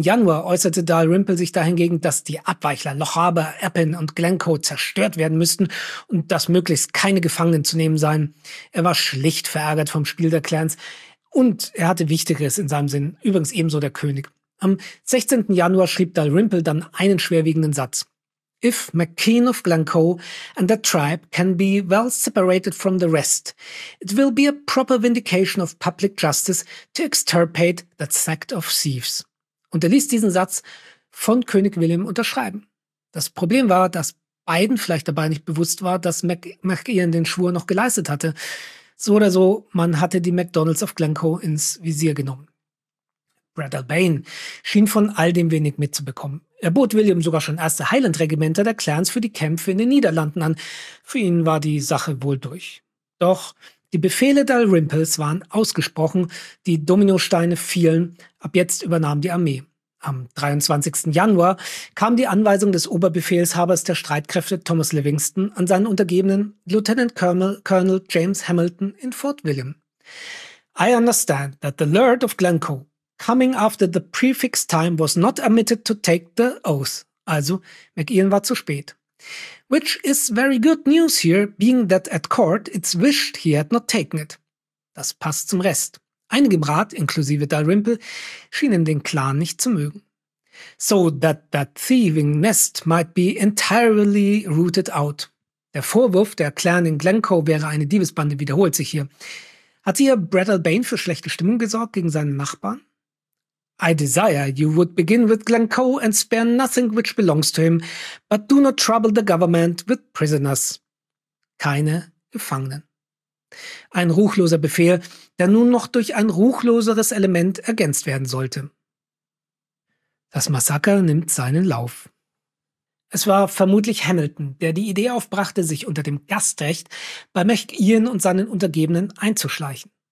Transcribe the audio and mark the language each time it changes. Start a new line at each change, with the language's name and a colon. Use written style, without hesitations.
German: Januar äußerte Dalrymple sich dahingegen, dass die Abweichler Lochaber, Appin und Glencoe zerstört werden müssten und dass möglichst keine Gefangenen zu nehmen seien. Er war schlicht verärgert vom Spiel der Clans und er hatte Wichtigeres in seinem Sinn, übrigens ebenso der König. Am 16. Januar schrieb Dalrymple dann einen schwerwiegenden Satz.
English: If MacKean of Glencoe and the tribe can be well separated from the rest, it will be a proper vindication of public justice to extirpate that sect of thieves.
German: Und er ließ diesen Satz von König William unterschreiben. Das Problem war, dass beiden vielleicht dabei nicht bewusst war, dass MacKean den Schwur noch geleistet hatte. So oder so, man hatte die MacDonalds of Glencoe ins Visier genommen. Breadalbane schien von all dem wenig mitzubekommen. Er bot William sogar schon erste Highland-Regimenter der Clans für die Kämpfe in den Niederlanden an. Für ihn war die Sache wohl durch. Doch die Befehle Dalrymples waren ausgesprochen, die Dominosteine fielen, ab jetzt übernahm die Armee. Am 23. Januar kam die Anweisung des Oberbefehlshabers der Streitkräfte Thomas Livingston an seinen Untergebenen Lieutenant Colonel James Hamilton in Fort William.
English: I understand that the Laird of Glencoe coming after the prefix time was not admitted to take the oath.
German: Also, MacIan war zu spät.
English: Which is very good news here, being that at court it's wished he had not taken it.
German: Das passt zum Rest. Einige im Rat, inklusive Dalrymple, schienen den Clan nicht zu mögen.
English: So that thieving nest might be entirely rooted out.
German: Der Vorwurf, der Clan in Glencoe wäre eine Diebesbande, wiederholt sich hier. Hat hier Brattle Bane für schlechte Stimmung gesorgt gegen seinen Nachbarn?
English: I desire you would begin with Glencoe and spare nothing which belongs to him, but do not trouble the government with prisoners.
German: Keine Gefangenen. Ein ruchloser Befehl, der nun noch durch ein ruchloseres Element ergänzt werden sollte. Das Massaker nimmt seinen Lauf. Es war vermutlich Hamilton, der die Idee aufbrachte, sich unter dem Gastrecht bei MacIan und seinen Untergebenen einzuschleichen.